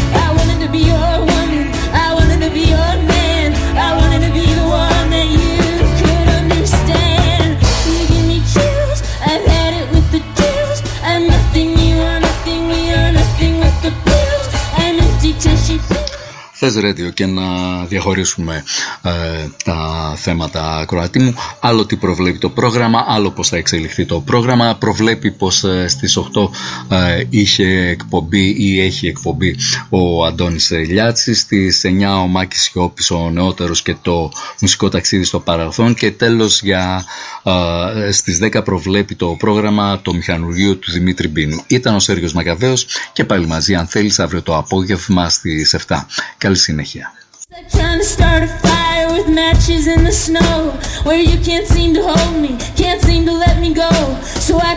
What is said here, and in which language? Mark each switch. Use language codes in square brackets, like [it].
[en] I wanted to be your woman, I wanted to be your man, I wanted to be the one that you could understand. You give me chills, I've had it with the deals. I'm nothing, you are nothing, we are nothing with the pills. I'm empty till she. [el] Θες ρέντιο και να διαχωρίσουμε τα θέματα, ακροατή μου. Άλλο τι προβλέπει το πρόγραμμα, άλλο πώς θα εξελιχθεί το πρόγραμμα. Προβλέπει πως στις 8 είχε εκπομπή ή έχει εκπομπή ο Αντώνης Λιάτσης. Στις 9 ο Μάκης Σιώπης, ο νεότερος, και το μουσικό ταξίδι στο παρελθόν. Και τέλος στις 10 προβλέπει το πρόγραμμα το μηχανουργείο του Δημήτρη Μπίνου. Ήταν ο Σέργιος Μακαβαίος και πάλι μαζί, αν θέλεις, αύριο το απόγευμα στις 7. Καλή συνέχεια. [en] Trying to start a fire with matches in the snow, where you can't seem to hold me, can't seem to let me go, so I